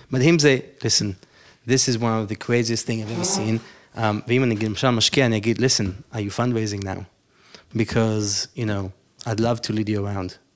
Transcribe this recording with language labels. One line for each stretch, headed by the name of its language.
Hebrew: מדהים זה,
English: listen, this is one of the craziest things I've ever seen.
Hebrew: ואם אני למשל משקיע, אני אגיד,
English: listen, are you fundraising now? Because, you know, I'd love to lead you around.